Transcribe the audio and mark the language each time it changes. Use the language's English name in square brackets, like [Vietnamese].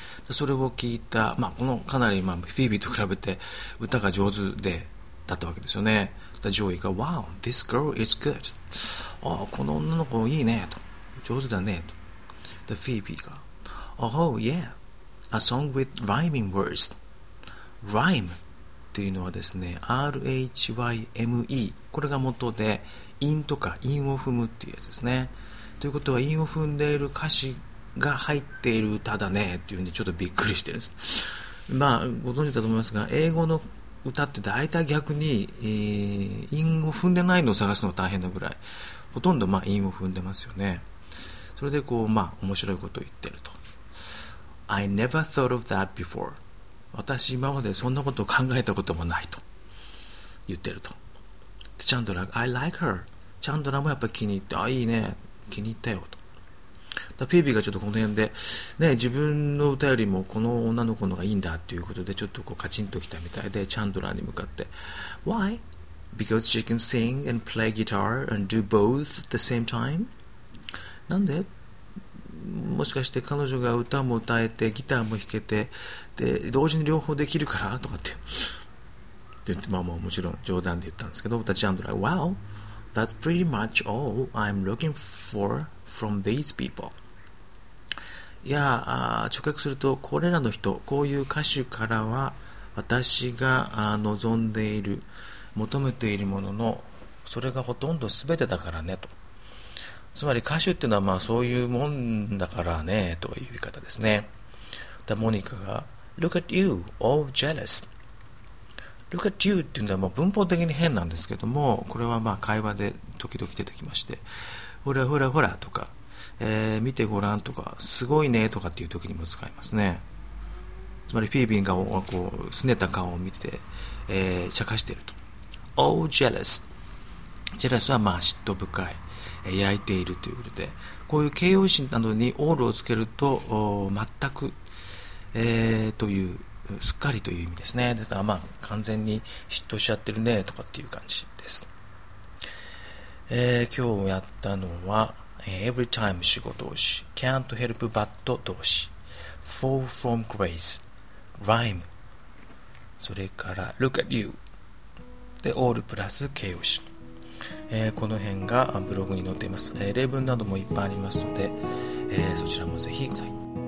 [Japanese] それを聞いた、まあ、このかなり、まあ、フィービーと比べて歌が上手でだったわけですよね。 [English] ジョイが Wow, this girl is good。 [Japanese] あ、この女の子いいねと、上手だねと。 [English] でフィービーが Oh yeah, a song with rhyming words。 [Japanese] Rhyme というのはですね、 R-H-Y-M-E、 これが元で韻とか韻を踏むっていうやつですね。ということは韻を踏んでいる歌詞が入っている歌だねというふうにちょっとびっくりしてるんです。まあご存知だと思いますが、英語の歌って大体逆に、韻を踏んでないのを探すのが大変なぐらい、ほとんどまあ韻を踏んでますよね。それでこうまあ面白いことを言ってると。 [English] I never thought of that before。 [Japanese] 私今までそんなことを考えたこともないと言ってると。 [English] チャンドラ I like her。 [Japanese] チャンドラもやっぱり気に入って、あ、いいね、気に入ったよと。フィービーがちょっとこの辺で、ね、自分の歌よりもこの女の子の方がいいんだということでちょっとこうカチンときたみたいで、チャンドラーに向かって [English] Why? Because she can sing and play guitar and do both at the same time? [Japanese] なんで? もしかして彼女が歌も歌えてギターも弾けて、で同時に両方できるからとかって言って、まあ、まあもちろん冗談で言ったんですけど、チャンドラー [English] Wow! That's pretty much all I'm looking for from these people。 [Japanese] いや、直訳するとこれらの人、こういう歌手からは私が望んでいる、求めているもののそれがほとんど全てだからねと。つまり歌手っていうのはまあそういうもんだからねという言い方ですね。 [English] でモニカが Look at you, all jealous。 Look at you [Japanese] っていうのはもう文法的に変なんですけども、これはまあ会話で時々出てきまして、ほらほらほらとか、見てごらんとか、すごいねとかっていう時にも使いますね。つまりフィービンがこう、拗ねた顔を見て、茶化していると。 [English] All jealous。 [Japanese] Jealous はまあ嫉妬深い、焼いているということで、こういう形容詞などに all をつけると、全く、という、すっかりという意味ですね。だからまあ完全に嫉妬しちゃってるねとかっていう感じです。今日やったのは [English] Every time [Japanese] 主語動詞、 [English] Can't help but [Japanese] 動詞、 [English] Fall from grace、 [Japanese] Rhyme、 それから [English] Look at you [Japanese] で All プラス形容詞。この辺がブログに載っています。例文などもいっぱいありますので、そちらもぜひください。